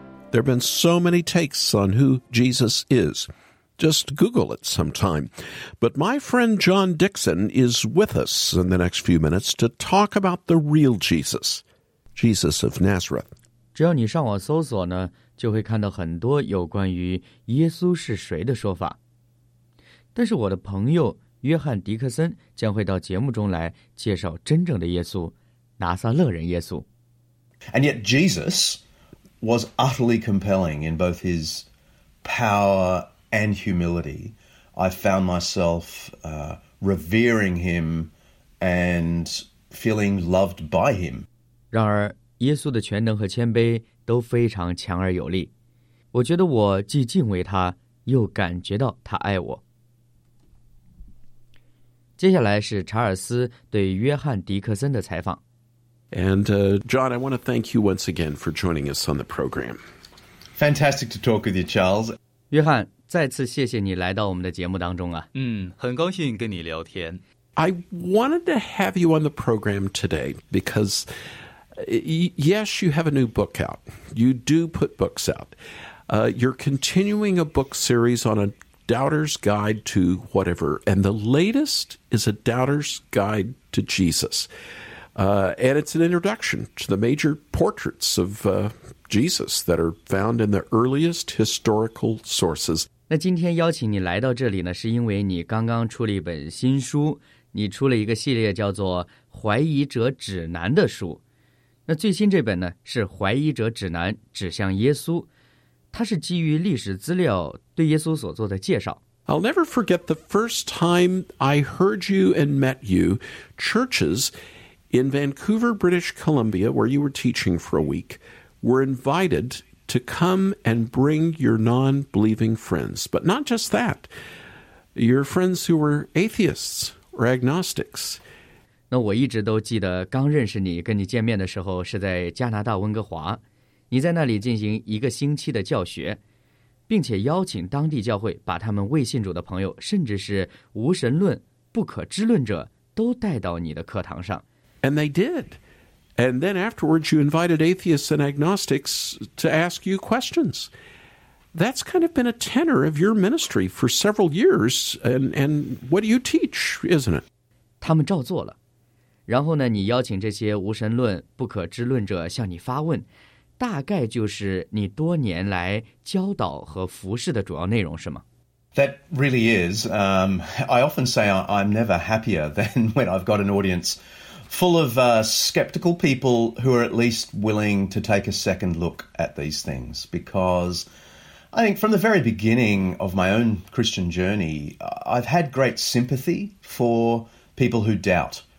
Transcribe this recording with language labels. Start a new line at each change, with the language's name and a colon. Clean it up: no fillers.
English: There have been so many takes on who Jesus is. Just Google it sometime. But my friend John Dixon is with us in the next few minutes to talk about the real Jesus, Jesus of Nazareth.
Chinese: 只要你上网搜索呢，就会看到很多有关于耶稣是谁的说法。但是我的朋友约翰·迪克森将会到节目中来介绍真正的耶稣，拿撒勒人耶稣。
English: And yet Jesus... was utterly compelling in both his power and humility. I found myself revering him and feeling loved by him.
Chinese: 然而耶稣的全能和谦卑都非常强而有力。我觉得我既敬畏他，又感觉到他爱我。接下来是查尔斯对约翰·迪克森的采访。
English: And John, I want to thank you once again for joining us on the program. Fantastic to talk with you, Charles.
Chinese: 约翰，再次谢谢你来到我们的节目当中啊。很高兴跟你聊天。
English: I wanted to have you on the program today because, yes, you have a new book out. You do put books out. You're continuing a book series on a doubter's guide to whatever. And the latest is a doubter's guide to Jesus. And it's an introduction to the major portraits of Jesus that are found in the earliest historical sources.
Chinese: 那今天邀请你来到这里呢，是因为你刚刚出了一本新书，你出了一个系列叫做《怀疑者指南》的书。那最新这本呢，是《怀疑者指南：指向耶稣》，它是基于历史资料对耶稣所做的介绍。
English: I'll never forget the first time I heard you and met you, churches in Vancouver, British Columbia, where you were teaching for a week, were invited to come and bring your non-believing friends. But not just that, your friends who were atheists or agnostics.
Chinese: 那我一直都记得刚认识你跟你见面的时候是在加拿大温哥华，你在那里进行一个星期的教学，并且邀请当地教会把他们未信主的朋友，甚至是无神论、不可知论者都带到你的课堂上。
English: And they did. And then afterwards you invited atheists and agnostics to ask you questions. That's kind of been a tenor of your ministry for several years, and what do you teach, isn't it?
Chinese: 他们照做了。然后呢，你邀请这些无神论、不可知论者向你发问，大概就是你多年来教导和服侍的主要内容，是吗？
English: That really is. I often say I'm never happier than when I've got an audience full of skeptical people who are at least willing to take a second look at these things. Because I think from the very beginning of my own Christian journey, I've had great sympathy for people who doubt.